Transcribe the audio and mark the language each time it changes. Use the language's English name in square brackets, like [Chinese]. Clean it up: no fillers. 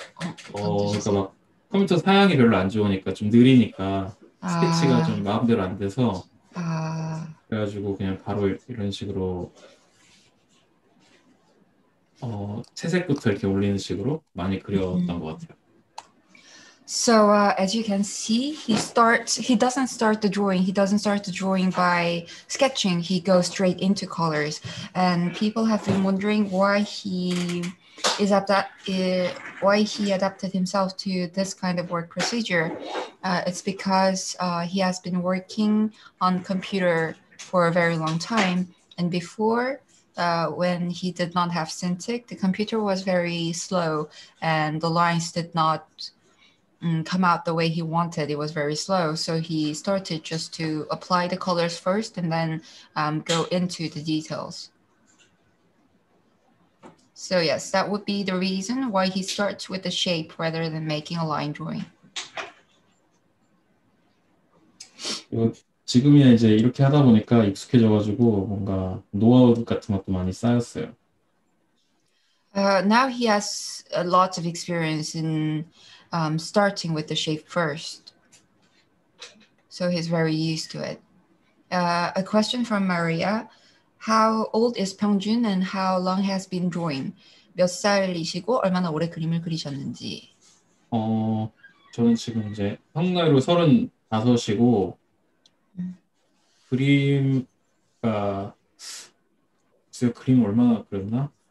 [Korean] 그러니까 막 컴퓨터 사양이 별로 안 좋으니까 좀 느리니까 스케치가 좀 마음대로 안 돼서 그래가지고 그냥 바로 이런 식으로 채색부터 이렇게 올리는 식으로 많이 그렸던 것 같아요. [English] So as you can see, he doesn't start the drawing. He doesn't start the drawing by sketching. He goes straight into colors. And people have been wondering why he is why he adapted himself to this kind of work procedure. It's because he has been working on computer for a very long time. And before, when he did not have Cintiq, the computer was very slow and the lines did not come out the way he wanted. It was very slow. So he started just to apply the colors first and then go into the details. So yes, that would be the reason why he starts with the shape rather than making a line drawing. [Korean] 지금이야 이제 이렇게 하다 보니까 익숙해져가지고 뭔가 노하우 같은 것도 많이 쌓였어요. [English] Now he has a lot of experience in starting with the shape first. So he's very used to it. A question from Maria. How old is Pyeongjun and how long has been drawing? [Korean] 몇 살이시고 얼마나 오래 그림을 그리셨는지? 저는 지금 이제 한국 나이로 35이고 그림가 제가 그림 얼마나 그렸나?